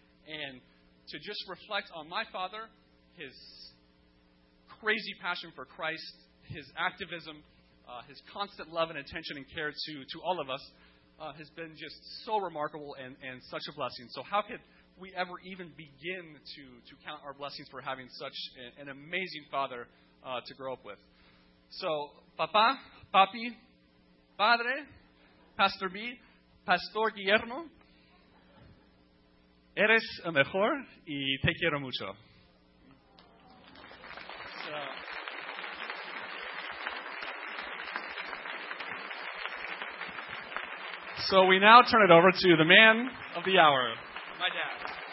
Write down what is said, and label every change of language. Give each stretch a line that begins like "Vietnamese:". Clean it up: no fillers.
English: And to just reflect on my father, his crazy passion for Christ, his activism, his constant love and attention and care to all of us has been just so remarkable and such a blessing. So how could we ever even begin to count our blessings for having such an amazing father to grow up with?
Spanish: So, Papa, Papi, Padre, Pastor B, Pastor Guillermo, eres el mejor y te quiero mucho.
English: So, so we now turn it over to the man of the hour, my dad.